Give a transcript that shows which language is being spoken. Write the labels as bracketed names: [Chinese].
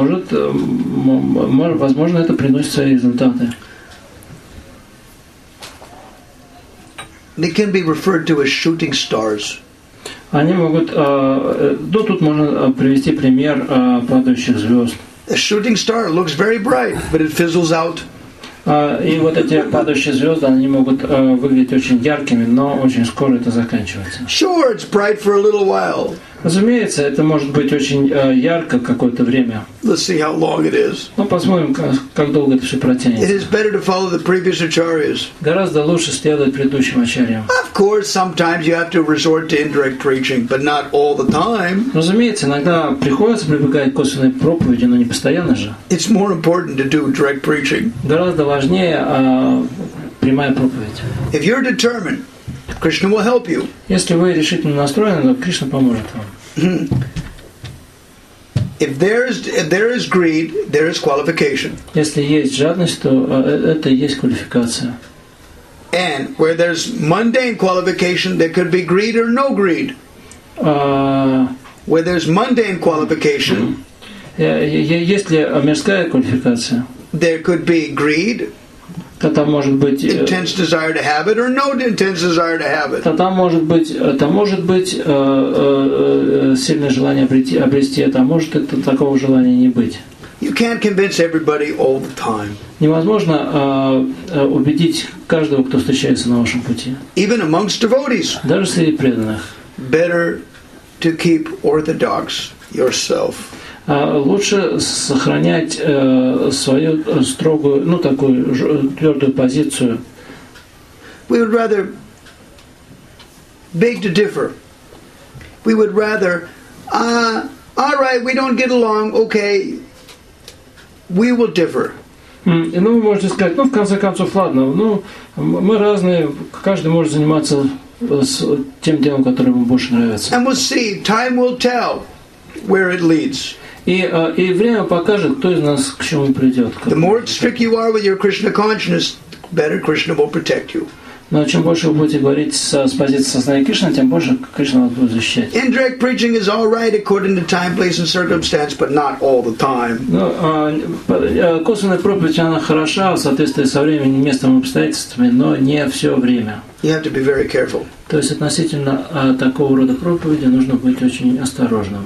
[Russian] Возможно, это приносит свои результаты. [English] They can be referred to as shooting stars. [Russian] Они могут, ну тут можно привести пример падающих звезд. [English] A shooting star looks very bright, but it fizzles out. [Russian] И вот эти падающие звезды, они могут выглядеть очень яркими, но очень скоро это заканчивается. [English] Sure, it's bright for a little while. [Russian] Разумеется, это может быть очень ярко какое-то время. [English] Let's see how long it is. [Russian] Ну, посмотрим, как долго это все протянется. [English] It is better to follow the previous acharyas. [Russian] Гораздо лучше следовать предыдущим ачарьям. [English] Of course, sometimes you have to resort to indirect preaching, but not all the time. [Russian] Разумеется, иногда приходится прибегать к косвенной проповеди, но не постоянно же. [English] It's more important to do direct preaching. [Russian] Гораздо важнее прямая проповедь. [English] If you're determined, Krishna will help you. [Russian] Если вы решительно настроены, то Кришна поможет вам. [English] If there is greed, there is qualification. [Russian] Если есть жадность, то это и есть квалификация. [English] And where there's mundane qualification, there could be greed or no greed. Where there's mundane qualification, [Russian] если мирская квалификация, [English] there could be greed. [Russian] Тогда может быть [English] intense desire to have it or no intense desire to have it. [Russian] Там может быть сильное желание обрести это, а может это такого желания не быть. [English] You can't convince everybody all the time. [Russian] Невозможно убедить каждого, кто встречается на вашем пути. [English] Even amongst devotees. [Russian] Даже среди преданных. [English] Better to keep orthodox yourself. [Russian] Лучше сохранять свою строгую, ну такую твердую позицию. [English] We would rather beg to differ. We would rather, all right, we don't get along, okay, we will differ. [Russian] Ну, вы можете сказать, ну, в конце концов, ладно, ну, мы разные, каждый может заниматься тем делом, которое ему больше нравится. [English] And we'll see, time will tell where it leads. [Russian] И время покажет, кто из нас к чему придет. [English] The more strict you are with your Krishna consciousness, better Krishna will protect you. [Russian] Но чем больше вы будете говорить с позиции сознания Кришны, тем больше Кришна вас будет защищать. [English] Indirect preaching is all right according to time, place, and circumstance, but not all the time. [Russian] Косвенная проповедь она хороша в соответствии со временем, местом и обстоятельствами, но не все время. [English] You have to be very careful. [Russian] То есть относительно такого рода проповеди нужно быть очень осторожным.